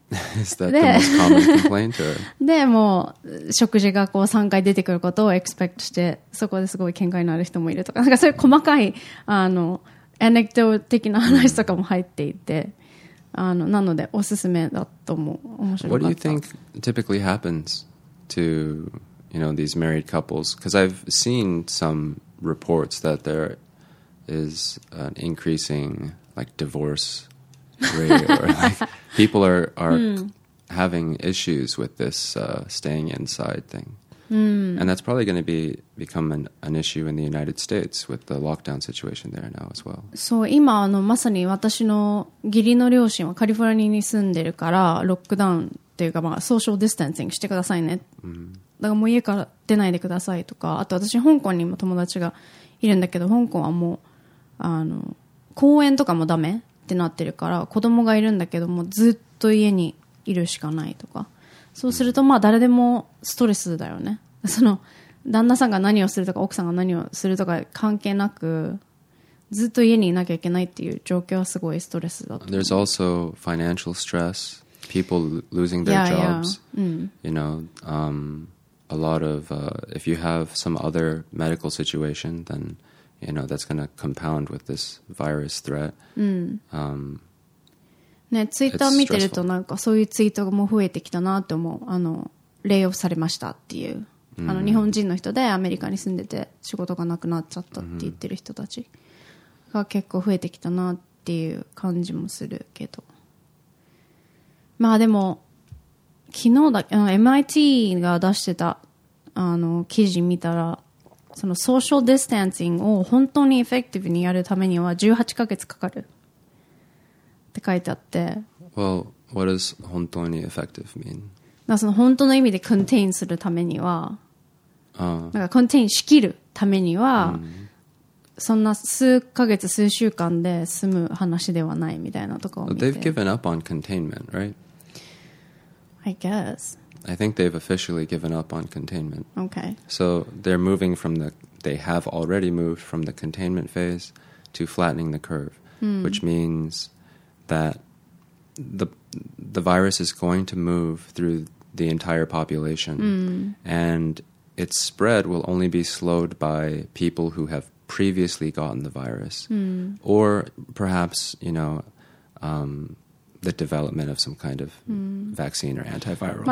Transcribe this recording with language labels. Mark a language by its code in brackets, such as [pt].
[en] Is that the most common complaint? [ja] で、もう、食事がこう3回出てくることをエクスペクトして、そこですごい喧嘩になる人もいるとか、なんかそういう細かい、あの、エネクト的な話とかも入っていて、あの、なので、おすすめだと思う。面白かった。 [en] What do you think typically happens to, you know, these married couples? Because I've seen some reports that there is an increasingLike divorce rate, or like people are having issues with this staying inside thing, and that's probably going to become an issue in the United States with the lockdown situation there now as well. [ja] So, 今あのまさに私の義理の両親はカリフォルニアに住んでるから、ロックダウンっていうか、まあ、ソーシャルディスタンシングしてくださいね。だからもう家から出ないでくださいとか、あと私香港にも友達がいるんだけど、香港はもうあの公園とかもダメってなってるから、子供がいるんだけどもずっと家にいるしかないとか、そうするとまあ誰でもストレスだよね。その旦那さんが何をするとか奥さんが何をするとか関係なく、ずっと家にいなきゃいけないっていう状況はすごいストレスだと。 [en] There's also financial stress, people losing their jobs. You know, a lot of if you have some other medical situation, then you know, that's going to compound with this virus threat. [ja] ね、ツイッター見てるとなんかそういうツイートも増えてきたなと思う。あのレイオフされましたっていう、あの日本人の人でアメリカに住んでて仕事がなくなっちゃったって言ってる人たちが結構増えてきたなっていう感じもするけど、まあでも昨日だあの MIT が出してたあの記事見たら、そのソーシャルディスタンシングを本当にエフェクティブにやるためには18ヶ月かかるって書いてあって、 [en] Well, what does [ja] 本当にエフェクティブ [en] mean? [ja] その本当の意味でコンテインするためには、なんかコンテインしきるためには、そんな数ヶ月数週間で済む話ではないみたいなとこを見て、 [en] They've given up on containment, right? I guess I think they've officially given up on containment. Okay. So they're moving from the they have already moved from the containment phase to flattening the curve, which means that the virus is going to move through the entire population, and its spread will only be slowed by people who have previously gotten the virus, or perhaps, you know, the development of some kind of vaccine or antiviral.